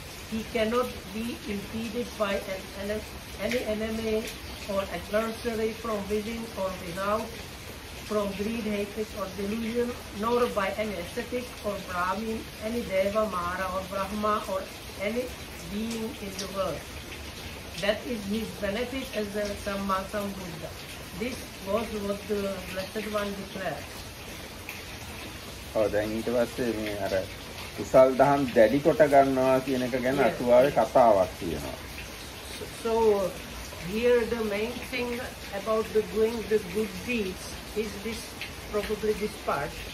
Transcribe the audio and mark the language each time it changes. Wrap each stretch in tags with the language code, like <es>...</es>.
<en>He cannot be impeded by any enemy or adversary from within or without, from greed, hatred, or delusion, nor by any ascetic or Brahmin, any Deva, Mara, or Brahma, or any being in the world. That is his benefit as a Sammasam Buddha. This was what the Blessed One declared. Oh, then it was the mirror.</en> <si>කුසල් දහම් දැඩි කොට ගන්නවා කියන එක ගැන අතුවාවේ කතාවක් තියෙනවා.</si> <en>So here the main thing about the doing the good deeds is this, probably this part.</en>